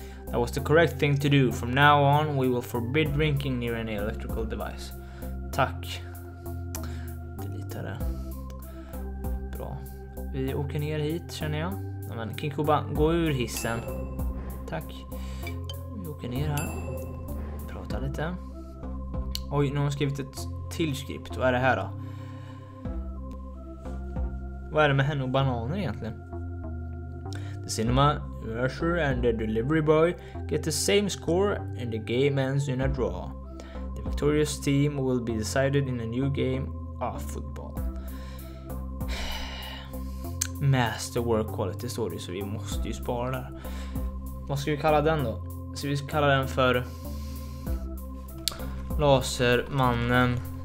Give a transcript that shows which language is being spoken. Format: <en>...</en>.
<en>That was the correct thing to do. From now on we will forbid drinking near any electrical device.</en> <sv>Tack. Delitare. Bra. Vi åker ner hit känner jag. Nej men King Cobra, gå ur hissen. Tack. Vi åker ner här. Prata lite. Oj, nu har skrivit ett tillskript. Vad är det här då? Vad är det med henne och bananer egentligen?</sv> <en>The cinema Mercer and the delivery boy get the same score and the game ends in a draw. The victorious team will be decided in a new game of football.</en> <sv>Masterwork quality står det, så vi måste ju spara där. Vad ska vi kalla den då? Så vi ska kalla den för Lasermannen.</sv>